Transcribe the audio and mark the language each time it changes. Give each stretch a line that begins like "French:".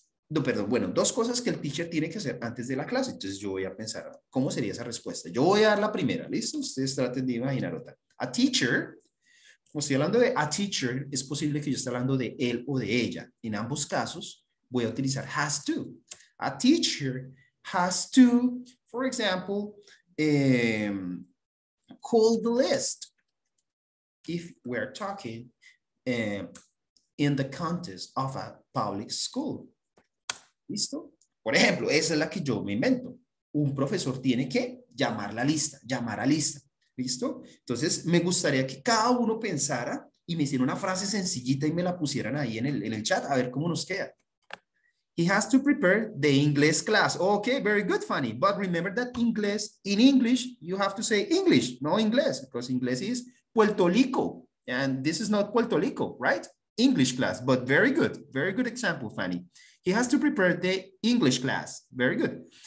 Spanish: Dos cosas que el teacher tiene que hacer antes de la clase. Entonces yo voy a pensar, ¿cómo sería esa respuesta? Yo voy a dar la primera, ¿listo? Ustedes traten de imaginar otra. A teacher, como estoy hablando de a teacher, es posible que yo esté hablando de él o de ella. En ambos casos, voy a utilizar has to.
English: A teacher has to, for example, call the list. If we're talking in the context of a public school.
Spanish: ¿Listo? Por ejemplo, esa es la que yo me invento. Un profesor tiene que llamar la lista. ¿Listo? Entonces, me gustaría que cada uno pensara y me hicieron una frase sencillita y me la pusieran ahí en el chat, a ver cómo nos queda.
English: He has to prepare the English class. Okay, very good, Fanny. But remember that English, in English, you have to say English, no inglés, because English is Puerto Rico. And this is not Puerto Rico, right? English class, but very good. Very good example, Fanny. He has to prepare the English class. Very good.